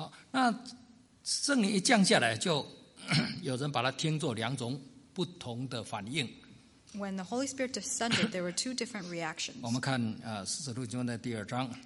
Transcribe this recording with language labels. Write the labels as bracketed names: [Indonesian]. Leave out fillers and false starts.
[Chinese] 那圣灵一降下来，就有人把它听作两种不同的反应。 [English] When the Holy Spirit descended, there were two different reactions. [Chinese] 我们看使徒行传的第二章。